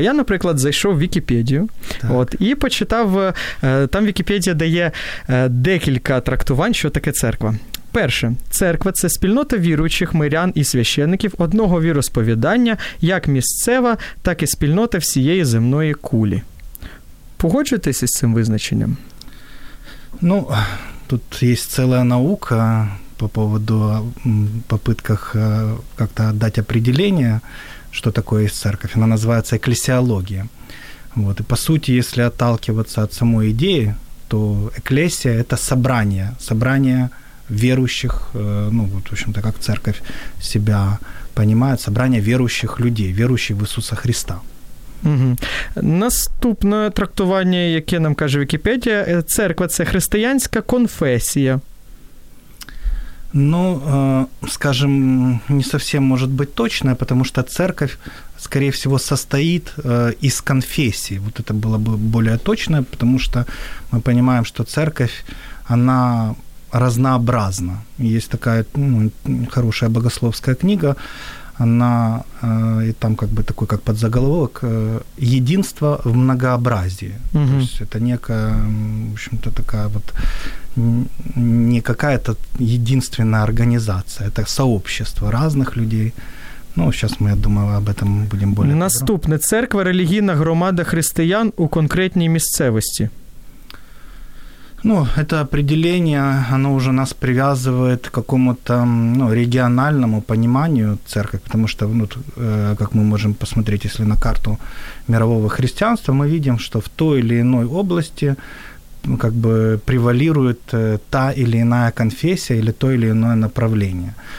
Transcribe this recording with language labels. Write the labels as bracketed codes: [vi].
[uk] Я, наприклад, зайшов в Вікіпедію, от, і почитав, там Вікіпедія дає декілька трактувань, що таке церква. Перше. Церква – це спільнота віруючих мирян і священників одного віросповідання, як місцева, так і спільнота всієї земної кулі. Погоджуєтеся з цим визначенням? [ru] Ну, тут есть целая наука по поводу попытках как-то дать определение, что такое есть церковь. Она называется экклесиология. Вот. И по сути, если отталкиваться от самой идеи, то экклесия – это собрание. Собрание верующих, ну, вот, в общем-то, как церковь себя понимает, собрание верующих людей, верующих в Иисуса Христа. Угу. [uk] Наступне трактування, яке нам каже Вікіпедія, церква – це християнська конфесія. [ru] Ну, скажем, не совсем может быть точно, потому что церковь, скорее всего, состоит из конфессий. Вот это было бы более точно, потому что мы понимаем, что церковь, она разнообразна. Есть такая, ну, хорошая богословская книга, она, и там как бы такой, как подзаголовок, «Единство в многообразии». Угу. То есть это некая, в общем-то, такая вот, не какая-то единственная организация, это сообщество разных людей. Ну, сейчас мы, я думаю, об этом будем более... [uk] Наступне. Церква – релігійна громада християн у конкретній місцевості. [ru] Ну, это определение, оно уже нас привязывает к какому-то, ну, региональному пониманию церкви, потому что, ну, как мы можем посмотреть, если на карту мирового христианства, мы видим, что в той или иной области, ну, как бы превалирует та или иная конфессия или то или иное направление.